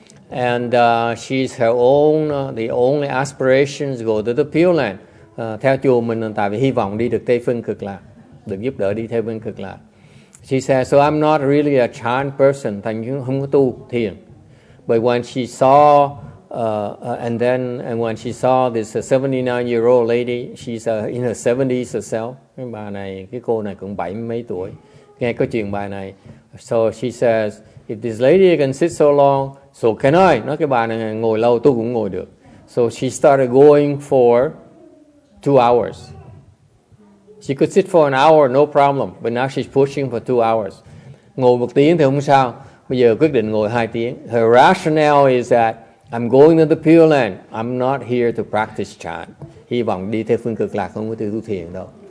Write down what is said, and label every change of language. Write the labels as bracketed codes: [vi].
[en] And she's her own the only aspirations go to the Pure Land. [vi] Theo chùa mình tại vì hy vọng đi được Tây Phương Cực Lạc, được giúp đỡ đi theo Phương Cực Lạc. [en] She said, "So I'm not really a chan person, [vi] thành như không có tu thiền." [en] But when she saw when she saw this 79-year-old lady, she's in her 70s herself. [vi] Bà này, cái cô này cũng bảy mấy tuổi. Nghe cái chuyện bà này. [en] So she says, "If this lady can sit so long, so can I." [vi] Nói cái bà này ngồi lâu, tôi cũng ngồi được. [en] So she started going for 2 hours. She could sit for an hour, no problem. But now she's pushing for 2 hours. [vi] Ngồi một tiếng thì không sao. Bây giờ quyết định ngồi 2 tiếng. [en] Her rationale is that I'm going to the Pure Land. I'm not here to practice chan. [vi] Hy vọng đi theo phương cực lạc, không có tu thiền đâu.